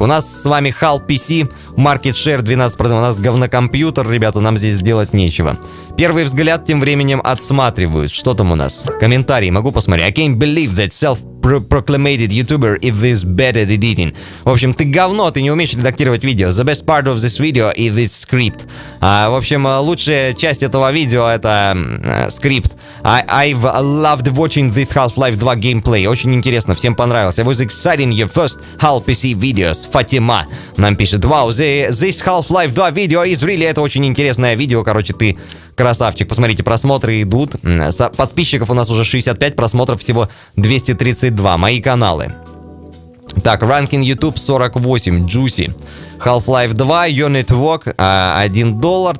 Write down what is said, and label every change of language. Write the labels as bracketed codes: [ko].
[ru] У нас с вами HAL PC, Market Share 12%. У нас говнокомпьютер, ребята, нам здесь сделать нечего. Первый взгляд тем временем отсматривают. Что там у нас? Комментарии могу посмотреть. [en] I can't believe that self-proclaimed YouTuber is this bad at editing. [ru] В общем, ты говно, ты не умеешь редактировать видео. [en] The best part of this video is this script. [ru] В общем, лучшая часть этого видео это скрипт. [en] I've loved watching this Half-Life 2 gameplay. [ru] Очень интересно, всем понравилось. [en] It was exciting your first HAL-PC videos. Fatima [ru] нам пишет. [en] Wow, this Half-Life 2 video is really... [ru] Это очень интересное видео, короче, ты... Красавчик, посмотрите, просмотры идут. Подписчиков у нас уже 65, просмотров всего 232. Мои каналы. Так, ranking YouTube 48, Juicy. [en] Half-Life 2, Your Network, $1.